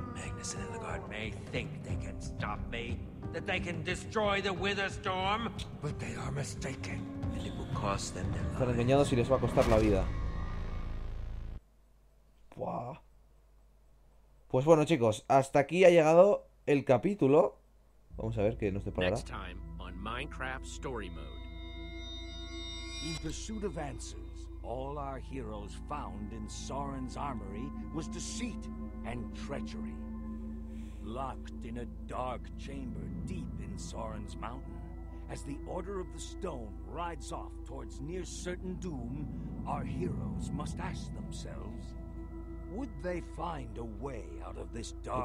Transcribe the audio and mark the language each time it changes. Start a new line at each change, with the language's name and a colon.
English: Magnus y Illagard may think they can stop me, that they can destroy the Witherstorm, but they are mistaken. And it will cost them their lives.
Spanish: Están engañados y les va a costar la vida. ¡Buah! Pues bueno, chicos, hasta aquí ha llegado el capítulo. Vamos a ver qué nos deparará.
English: Next time on Minecraft Story Mode. In pursuit of answers, all our heroes found in Sauron's armory was deceit and treachery. Locked in a dark chamber deep in Sauron's mountain, as the Order of the Stone rides off towards near certain doom, our heroes must ask themselves, would they find a way out of this dark